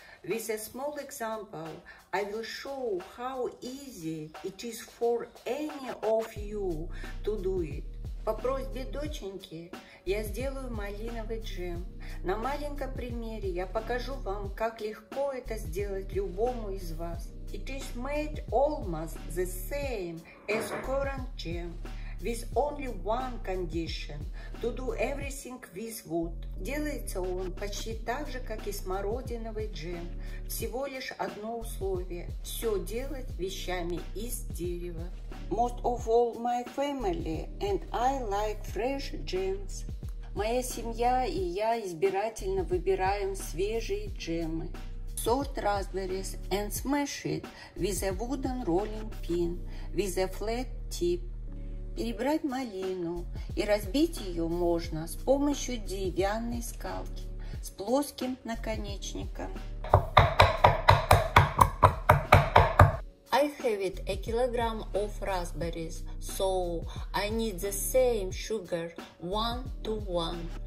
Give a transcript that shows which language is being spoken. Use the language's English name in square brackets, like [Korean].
[English] With a small example, I will show how easy it is for any of you to do it. [Russian] По просьбе доченьки я сделаю малиновый джем. На маленьком примере я покажу вам, как легко это сделать любому из вас. [English] It is made almost the same as currant jam, with only one condition, to do everything with wood. [Russian] Делается он почти так же, как и смородиновый джем. Всего лишь одно условие – все делать вещами из дерева. [English] Most of all my family and I like fresh jams. [Russian] Моя семья и я избирательно выбираем свежие джемы. [English] Sort raspberries and smash it with a wooden rolling pin with a flat tip. [Russian] Перебрать малину и разбить ее можно с помощью деревянной скалки с плоским наконечником. [English] I have it a kilogram of raspberries, so I need the same sugar 1:1.